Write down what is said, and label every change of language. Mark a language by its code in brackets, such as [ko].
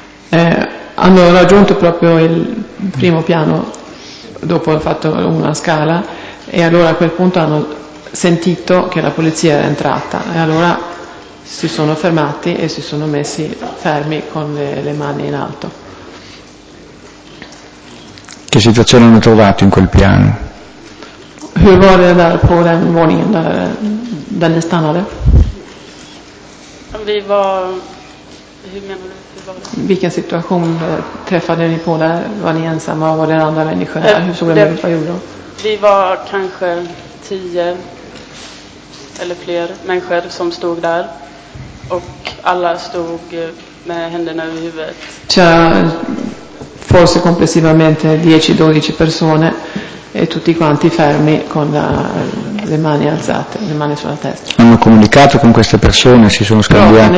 [it] Hanno raggiunto proprio il primo piano dopo aver fatto una scala e allora a quel punto hanno sentito che la polizia era entrata e allora si sono fermati e si sono messi fermi con le mani in alto. Che situazione hanno trovato in quel piano? [sv] Hur var det där på den våningen där ni stannade? Vi var... Hur menar du? Hur var det? Vilken situation träffade ni på där? Var ni ensamma? Var det andra människor? Hur såg det ut? Vad gjorde de? Vi var kanske 10 eller fler människor som stod där. Och alla stod med händerna över huvudet. Tja. [it] forse complessivamente 10-12 persone, e tutti quanti fermi con le mani alzate, le mani sulla testa. Hanno comunicato con queste persone, si sono scambiate?